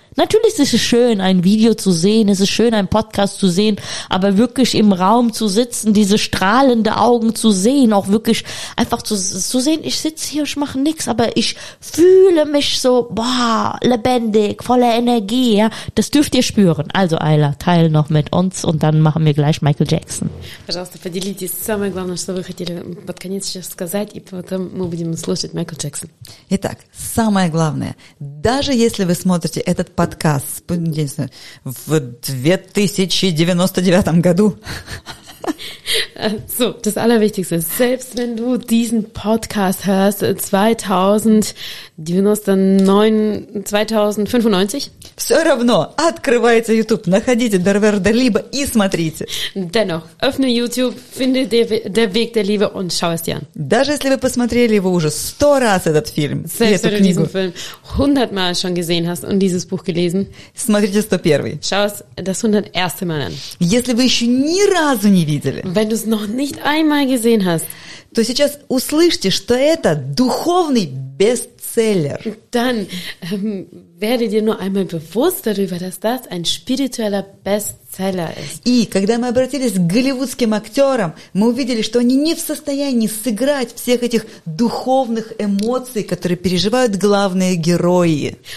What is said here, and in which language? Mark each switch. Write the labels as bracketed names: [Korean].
[German] Natürlich ist es schön, ein Video zu sehen, es ist schön, einen Podcast zu sehen, aber wirklich im Raum zu sitzen, diese strahlende Augen zu sehen, auch wirklich einfach zu sehen, ich sitze hier, ich mache nichts, aber ich fühle mich so, boah, lebendig, voller Energie, ja, das dürft ihr spüren. Also Ayla, teil noch mit uns und dann machen wir gleich Michael Jackson. [Russian] Пожалуйста, поделитесь, самое главное, что вы хотели под конец сейчас сказать, и потом мы будем слушать Michael Jackson. Итак, самое главное, даже если вы смотрите этот подкаст в 2099 году. [German] So, das Allerwichtigste, selbst wenn du diesen Podcast hörst, 2095, dennoch, öffne YouTube, finde der Weg der Liebe und schau es dir an. [Russian] Даже если вы посмотрели его уже 100 раз этот фильм, [German] selbst wenn du diesen Film 100 Mal schon gesehen hast und dieses Buch gelesen, [Russian] смотрите 101. [German] Schau es das 101. Mal an. [Russian] Если вы еще ни разу не видели, [German] wenn du es noch nicht einmal gesehen hast, [Russian] то сейчас услышьте, что это духовный бестселлер. [German] Dann werdet ihr nur einmal bewusst darüber, dass das ein spiritueller Bestseller ist. [Russian] И когда мы обратились к голливудским актерам, мы увидели, что они не в состоянии сыграть всех этих духовных эмоций, которые переживают главные герои.